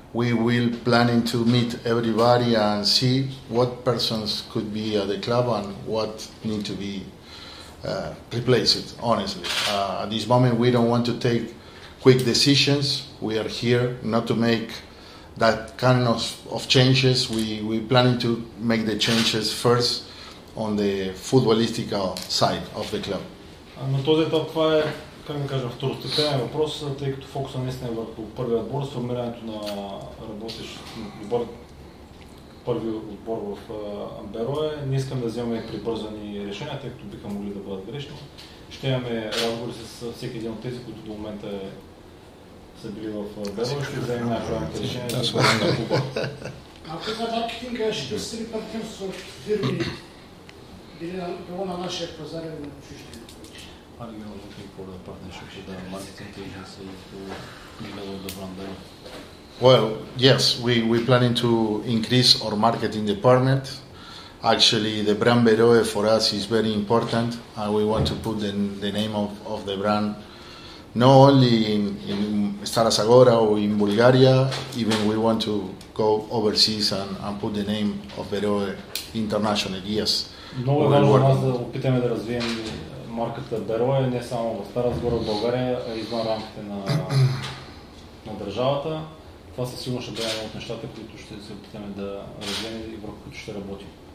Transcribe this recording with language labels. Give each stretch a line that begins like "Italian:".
English: We will planning to meet everybody and see what persons could be at the club and what need to be replaced, honestly. At this moment, we don't want to take quick decisions. We are here not to make that kind of changes. We planning to make the changes first on the footballistical side of the club.
Bulgarian: На този етап това е, как да кажа, второстепенен въпрос, тъй като фокуса наистина е върху първия отбор, сформирането на работещ добър първи отбор в Берое. Не искам да вземаме прибързани решения, тъй като биха могли да бъдат грешни. Ще имаме разговори с всеки един от тези, които до момента са били в Берое. Ще вземем най-правилните решения за бъдем на клуба. Ако за маркетинга ще се ли партнер с фирми, било на нашия пазар или на чужди?
English: Are you looking for a partnership with the marketing agency to develop the brand there? Well, yes, we planning to increase our marketing department. Actually, the brand Berue for us is very important, and we want to put the name of the brand not only in Stara Zagora or in Bulgaria, even we want to go overseas and put the name of Berue internationally. Yes.
Bulgarian: Много важно за нас да опитаме да развием марката Берое не само в Стара Загора, в България, а извън рамките на държавата. Това със сигурност ще бъде едно от нещата, които ще се опитаме да развием и върху които ще работим.